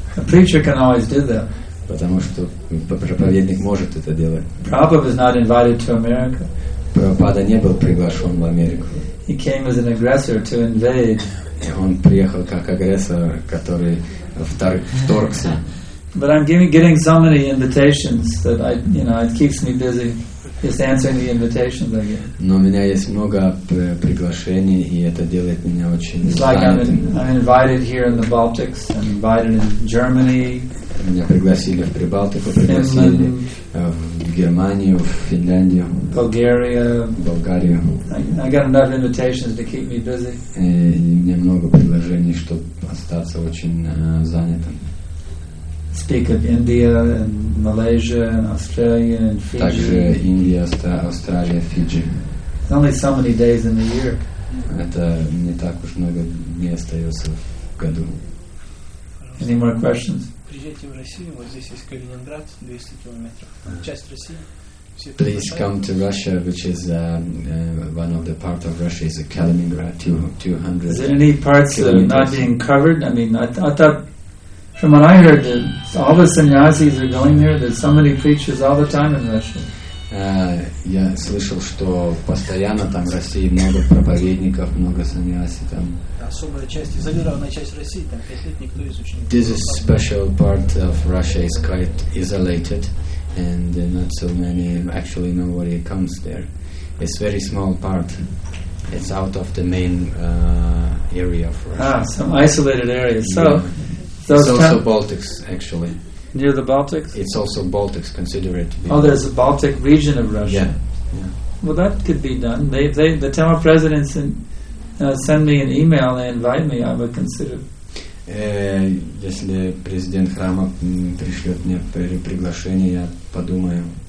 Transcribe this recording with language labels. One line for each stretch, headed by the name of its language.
English: A preacher can always do that.
Russian: Потому что проповедник может это делать.
English: Prabhupada was not invited to America.
Russian: Прабхупада не был приглашен в Америку.
English: He came as an aggressor to invade.
Russian: И он приехал как агрессор, который вторгся.
English: But I'm getting so many invitations that I, you know, it keeps me busy. Just answering the invitations again.
Russian: Но у меня есть много приглашений, и это делает меня очень.
English: It's like I'm invited here in the Baltics. I'm invited in Germany.
Russian: Меня пригласили в Прибалтику, пригласили в Германию, в Финляндию.
English: Bulgaria.
Russian: Болгарию.
English: I got enough invitations to keep me busy.
Russian: И мне много приглашений, чтобы остаться очень занятым.
English: Speak of India and Malaysia and Australia and Fiji.
Russian: Также Индия, Австралия, Фиджи.
English: It's only so many days in the year.
Russian: Это не так уж много дней остается в году.
English: Any more questions?
Russian: Приезжайте в Россию. Вот здесь есть Калининград, 200 километров. Часть России.
English: Please come to Russia, which is one of the parts of Russia is Kaliningrad, 200. Is there any parts that are not being covered? I mean, I thought. From what I heard, all the sannyasis are going there. There's so many preachers all the time in Russia.
Russian: Я слышал, что постоянно там в России много проповедников, много сannyasi там. Особая часть, изолированная часть России, там 5 лет никто из учеников.
English: This is special part of Russia is quite isolated, and not so many actually nobody comes there. It's very small part. It's out of the main area of Russia. Some isolated area. So. Yeah. Those it's also Baltics, actually. Near the Baltics? It's also Baltics, consider it to be. Oh, there's a Baltic region of Russia. Yeah. Well, that could be done. They the Tamil president send me an email, they invite me, I would consider.
Russian: Если президент храма пришлет мне приглашение, я подумаю.